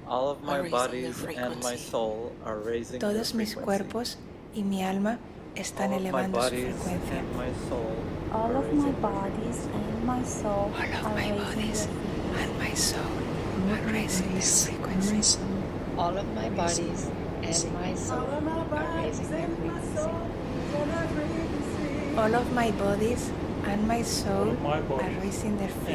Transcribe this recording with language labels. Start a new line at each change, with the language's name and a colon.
English: All of my bodies and my soul are raising their frequencies.
Spanish: Todos mis cuerpos y mi alma están elevando su frecuencia.
English: All of my bodies and my soul are raising their frequencies. All of my bodies all of my bodies and my soul are raising their frequency.